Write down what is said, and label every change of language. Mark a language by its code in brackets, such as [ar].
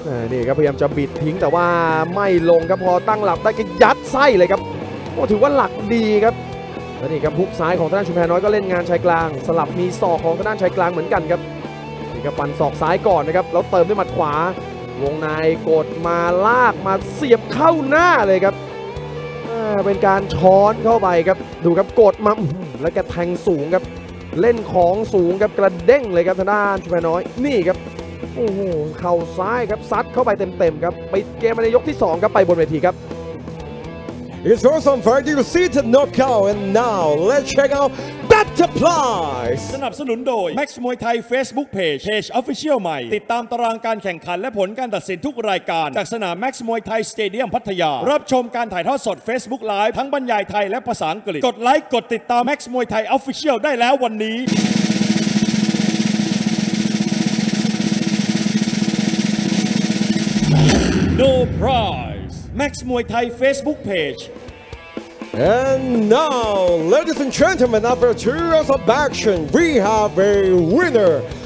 [th] นี่ครับพยายามจะบิดทิ้งแต่ว่าไม่ลงครับพอตั้งหลักได้ก็ยัดไส้เลยครับโอ้ถือว่าหลักดีครับแล้วนี่ครับฮุกซ้ายของทางด้านชุมแพรน้อยก็เล่นงานชายกลางสลับมีศอกของทางด้านชายกลางเหมือนกันครับนี่ครับปั่นศอกซ้ายก่อนนะครับแล้วเติมด้วยหมัดขวาวงในกดมาลากมาเสียบเข้าหน้าเลยครับ เป็นการช้อนเข้าไปครับดูครับกดมาแล้วก็แทงสูงครับเล่นของสูงครับกระเด้งเลยครับทางด้านชุมแพรน้อยนี่ครับโอ้โหเข่าซ้ายครับซัดเข้าไปเต็มๆครับไปเกมในยกที่2ครับไปบนเวทีครับ [en] It's awesome fight you see the knockout and now let's check out Betterplay [th] สนับสนุนโดย Max Muay Thai Facebook Page Official ใหม่ติดตามตารางการแข่งขันและผลการตัดสินทุกรายการจากสนาม Max Muay Thai Stadium พัทยารับชมการถ่ายทอดสด Facebook Live ทั้งบรรยายไทยและภาษาอังกฤษกดไลค์กดติดตาม Max Muay Thai Official ได้แล้ววันนี้ [en] No prize. Max Muay Thai Facebook page. And now, ladies and gentlemen, after 2 hours of action, we have a winner.